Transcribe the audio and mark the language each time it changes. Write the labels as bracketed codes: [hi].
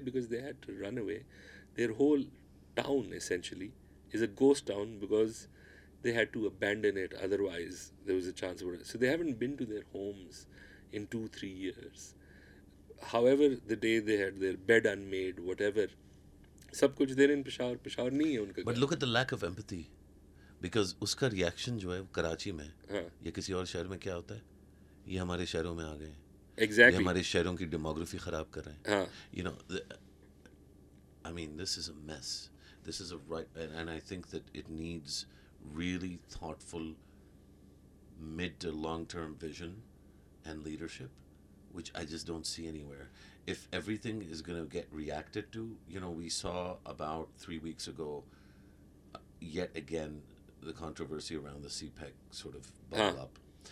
[en] Because they had to run away. Their whole town, essentially, is a ghost town because they had to abandon it, otherwise there was a chance of it. So they haven't been to their homes in 2-3 years. However, the day they had their bed unmade, whatever, [ur] sab kuch [en] they're in Peshawar, [ur] Peshawar nahi hai unka. [en] But look at the lack of empathy. Because [ur] اس کا reaction جو ہے کراچی میں، یا کسی اور شہر میں کیا ہوتا ہے؟ یہ ہمارے شہروں میں آ گئے۔ [en] Exactly. [ur] یہ ہمارے شہروں کی ڈیموگرافی خراب کر رہے ہیں۔ Haan. [en] You know, I mean, this is a mess. This is a right, and I think that it needs really thoughtful mid to long-term vision and leadership, which I just don't see anywhere. If everything is going to get reacted to, you know, we saw about 3 weeks ago, yet again, the controversy around the CPEC sort of bubble up.